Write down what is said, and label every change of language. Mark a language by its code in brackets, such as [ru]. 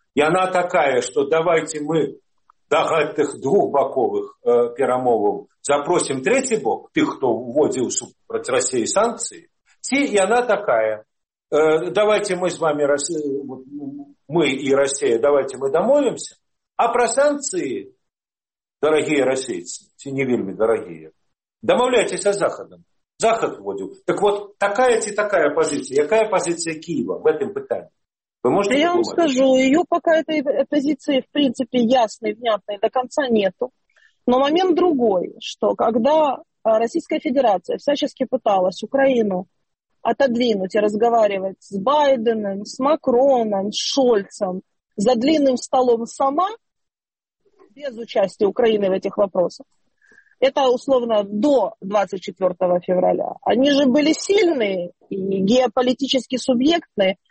[ru] И она такая, что давайте мы до этих двухбоковых перемовов запросим третий бок, тех, кто вводил против России санкции, и она такая, давайте мы с вами, мы и Россия, давайте мы домовимся, а про санкции, дорогие российцы, не вельми дорогие, домовляйтесь с Западом. [uk] Захід вводив. Так от, така чи така позиція? Яка позиція Києва в цьому питанні? Ви можете я вам скажу, її поки цієї позиції, в принципі, ясної, внятної до кінця нету. [ru] Но момент другой, что когда Российская Федерация всячески пыталась Украину отодвинуть и разговаривать с Байденом, с Макроном, с Шольцем за длинным столом сама, без участия Украины в этих вопросах, это условно до 24 февраля, они же были сильные и геополитически субъектные.